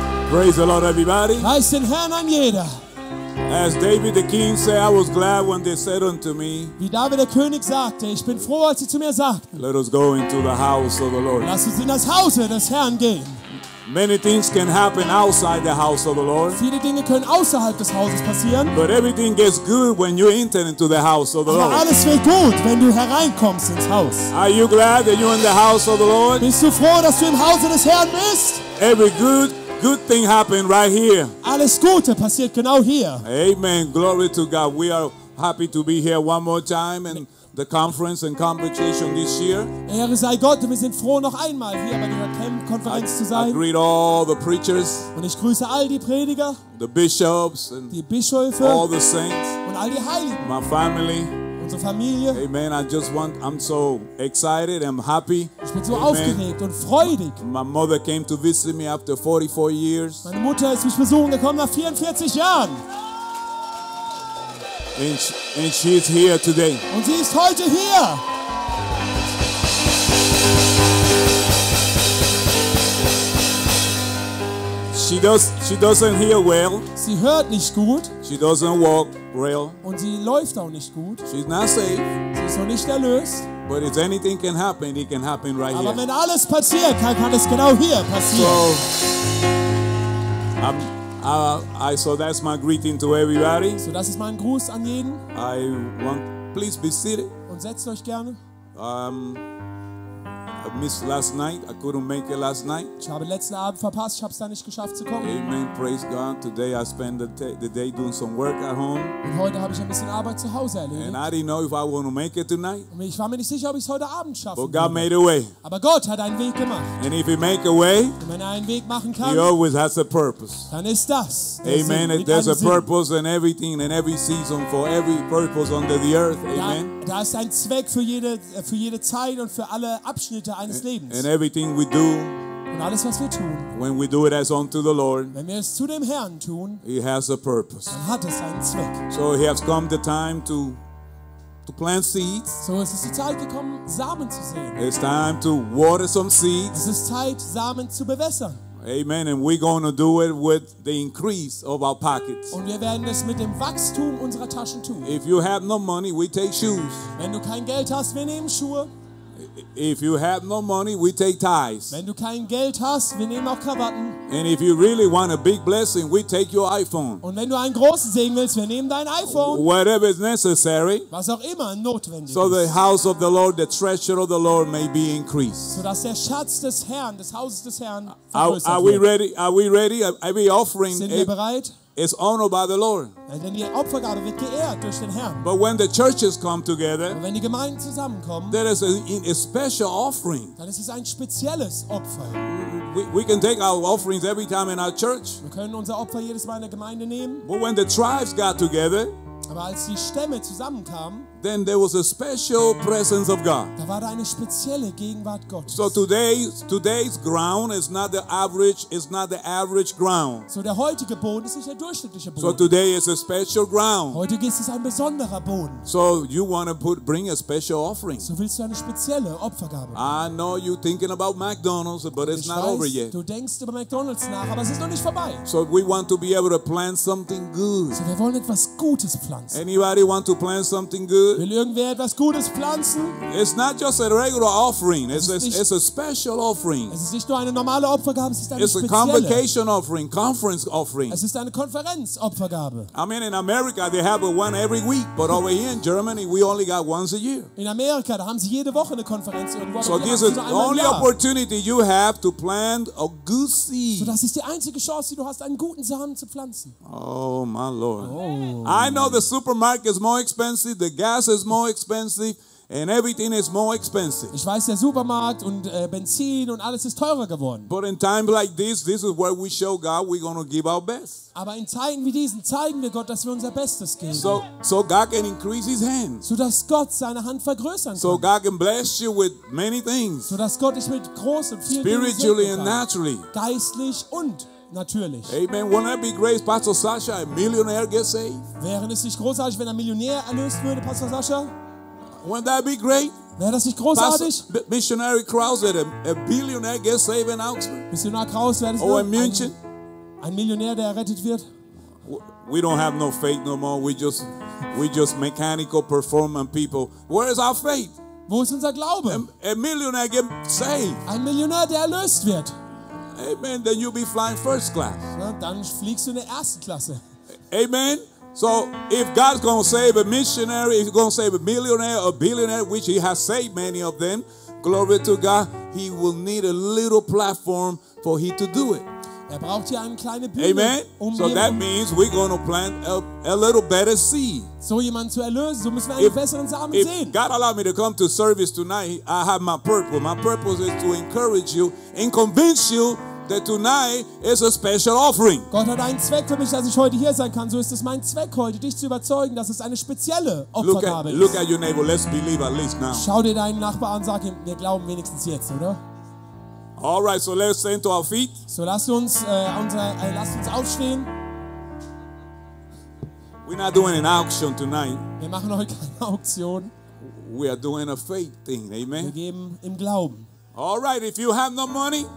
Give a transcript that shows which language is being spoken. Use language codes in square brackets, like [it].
[en] Praise the Lord, everybody. As David the king said, I was glad when they said unto me. [de] Wie David der König sagte, ich bin froh, als sie zu mir sagten. [en] Let us go into the house of the Lord. [de] Lass uns in das Haus des Herrn gehen. [en] Many things can happen outside the house of the Lord. [de] Viele Dinge können außerhalb des Hauses passieren. [en] But everything gets good when you enter into the house of the Lord. [de] Aber alles wird gut, wenn du hereinkommst ins Haus. [en] Are you glad that you're in the house of the Lord? [de] Bist du froh, dass du im Hause des Herrn bist? [en] Every good thing happened right here. [de] Alles Gute passiert genau hier. [en] Amen. Glory to God. We are happy to be here one more time in the conference and convocation this year. [de] Ehre sei Gott, wir sind froh, noch einmal hier bei dieser Camp-Konferenz zu sein. [en] I greet all the preachers. [de] Und ich grüße all die Prediger. [en] The bishops. And [de] die Bischöfe. [en] All the saints. [de] Und all die Heiligen. [en] My family. [de] Unsere Familie. [en] Amen. I'm so excited. I'm happy. [de] Ich bin so aufgeregt und freudig. [en] My mother came to visit me after 44 years. [de] Meine Mutter ist mich besuchen gekommen nach 44 Jahren. [en] And she is here today. [de] Und sie ist heute hier. [en] She doesn't hear well. [de] Sie hört nicht gut. [en] She doesn't walk well. [de] Und sie läuft auch nicht gut. [en] She's not safe. [de] Sie ist noch nicht erlöst. [en] But if anything can happen, it can happen right [de] Aber [en] here. [de] Aber wenn alles passiert, kann es genau hier passieren. [en] So, so that's my greeting to everybody. [de] So das ist mein Gruß an jeden. [en] Please be seated. [de] Und setzt euch gerne. [en] I missed last night. I couldn't make it last night. [de] Ich habe letzten Abend verpasst. Ich habe es da nicht geschafft zu kommen. [en] Amen. Praise God. Today I spent the day doing some work at home. [de] Und heute habe ich ein bisschen Arbeit zu Hause erledigt. [en] And I didn't know if I want to make it tonight. [de] Und ich war mir nicht sicher, ob ich es heute Abend schaffe. [en] But God made a way. [de] Aber Gott hat einen Weg gemacht. [en] And if He make a way, [de] und wenn er einen Weg machen kann, [en] He always has a purpose. [de] Dann ist das. [en] Amen. There's a purpose in everything and every season for every purpose under the earth. Amen. [de] Da ist ein Zweck für jede Zeit und für alle Abschnitte eines Lebens. [en] And everything we do, [de] und alles, was wir tun, [en] when we do it as unto the Lord, [de] wenn wir es zu dem Herrn tun, [en] it has a purpose. [de] Dann hat es einen Zweck. [en] So he has come the time to plant seeds. [de] So es ist die Zeit gekommen, Samen zu sehen. [en] It's time to water some seeds. [de] Es ist Zeit, Samen zu bewässern. [en] Amen. And we're going to do it with the increase of our pockets. [de] Und wir werden es mit dem Wachstum unserer Taschen tun. [en] If you have no money, we take shoes. [de] Wenn du kein Geld hast, wir nehmen Schuhe. [en] If you have no money, we take ties. [de] Wenn du kein Geld hast, wir nehmen auch Krawatten. [en] And if you really want a big blessing, we take your iPhone. [de] Und wenn du einen großen Segen willst, wir nehmen dein iPhone. [en] Whatever is necessary. [de] Was auch immer notwendig. [en] So the house of the Lord, the treasure of the Lord may be increased. [de] So dass der Schatz des Herrn, des Hauses des Herrn, vergrößert wird. [en] Are we ready? Every offering. [de] Sind wir bereit? [en] is honored by the Lord. [de] Denn die Opfergabe wird geehrt durch den Herrn. [en] But when the churches come together, [de] wenn die Gemeinden zusammenkommen, [en] there is a special offering. [de] Dann ist es ein spezielles Opfer. [en] We can take our offerings every time in our church. [de] Wir können unser Opfer jedes Mal in der Gemeinde nehmen. [en] But when the tribes got together, [de] aber als die Stämme zusammenkamen, [en] then there was a special presence of God. [de] Da war da eine spezielle Gegenwart Gottes. [en] So today's ground is not the average. It's not the average ground. [de] So der heutige Boden ist nicht der durchschnittliche Boden. [en] So today is a special ground. [de] Heute ist es ein besonderer Boden. [en] So you want to bring a special offering. [de] So willst du eine spezielle Opfergabe. [en] I know you're thinking about McDonald's, but it's not over yet. [de] Du denkst über McDonald's nach, aber es ist noch nicht vorbei. [en] So we want to be able to plant something good. [de] So wir wollen etwas Gutes pflanzen. [en] Anybody want to plant something good? [de] Will irgendwer etwas Gutes pflanzen? [en] It's not just a regular offering. It's a special offering. [de] Es ist nicht nur eine normale Opfergabe, es ist eine spezielle. [en] It's a convocation offering, conference offering. [de] Es ist eine Konferenzopfergabe. [en] I mean, in America they have one every week, but over here in Germany we only got once a year. [de] In Amerika da haben sie jede Woche eine Konferenz irgendwo. [en] So this is the only opportunity you have to plant a good seed. [de] So das ist die einzige Chance, die du hast, einen guten Samen zu pflanzen. [en] Oh my Lord. I know the supermarket is more expensive. The gas is more expensive and everything is more expensive. [de] Ich weiß, der Supermarkt und Benzin und alles ist teurer geworden. [en] But in times like this is where we show God we're going to give our best. [de] Aber in Zeiten wie diesen zeigen wir Gott, dass wir unser Bestes geben. [en] So God can increase his hand. [de] So dass Gott seine Hand vergrößern kann. [en] So God can bless you with many things. [de] So dass Gott dich mit großem viel [en] spiritually and naturally. [de] Geistlich und natürlich. [en] Amen. Wouldn't that be great, Pastor Sasha, a millionaire gets saved? [de] Wäre es nicht großartig, wenn ein Millionär erlöst würde, Pastor Sasha? [en] Wouldn't that be great? [de] Wäre das nicht großartig? [en] Missionary Krause, a billionaire gets saved in Augsburg. [de] Missionar Krause, wäre das oder in München? Ein Millionär, der errettet wird. [en] We don't have no faith no more. We just mechanical performing people. Where is our faith? [de] Wo ist unser Glaube? [en] A millionaire gets saved. [de] Ein Millionär, der erlöst wird. [en] Amen. Then you'll be flying first class. [de] Ja, dann fliegst du in der ersten Klasse. [en] Amen. So if God's going to save a missionary, if he's going to save a millionaire or billionaire, which he has saved many of them, glory to God, he will need a little platform for he to do it. [de] Er braucht hier eine kleine Bühne. [en] Amen. So that means we're going to plant a little better seed. [de] So jemanden zu erlösen, so müssen wir einen besseren Samen [en] if [de] sehen. [en] God allow me to come to service tonight, I have my purpose. My purpose is to encourage you and convince you that tonight is a special offering. [de] Gott hat einen Zweck für mich, dass ich heute hier sein kann. So ist es mein Zweck heute, dich zu überzeugen, dass es eine spezielle Opfergabe [en] look at, Look at your neighbor, let's believe at least now. [de] Schau dir deinen Nachbar an, sag ihm, wir glauben wenigstens jetzt, oder? [en] All right, so let's stand to our feet. [de] So lasst uns aufstehen. [en] We're not doing an auction tonight. [de] Wir machen heute keine Auktion. [en] We are doing a faith thing, amen. [de] Wir geben im Glauben. [en] All right, if you have no money,